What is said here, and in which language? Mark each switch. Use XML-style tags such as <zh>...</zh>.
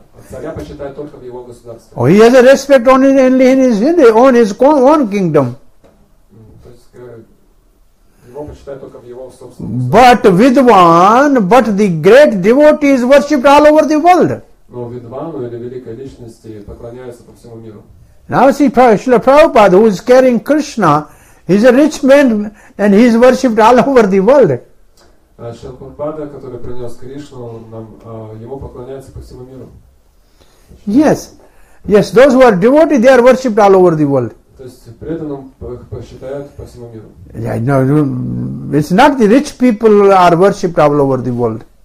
<ru>Царя почитают только в его государстве.</ru> <en>Oh, he has a respect only in his own kingdom.</en> <ru>То есть его почитают только в его собственном.</ru> <en>But the great devotee is worshipped all over the world.</en> <ru>Но Vidvanu или великой личности поклоняются по всему миру.</ru> <en>Now see, Srila Prabhupada, who is carrying Krishna, he's a rich man and he is worshipped all over the world.</en> <ru>Srila Prabhupada, который принес Кришну, ему поклоняются по всему миру.</ru> <en>Yes, yes. Those who are devotees, they are worshipped all over the world.</en> <ru>То есть преданным считают по всему миру.</ru> <en>Yeah, no. It's not the rich people are worshipped all over the world.</en>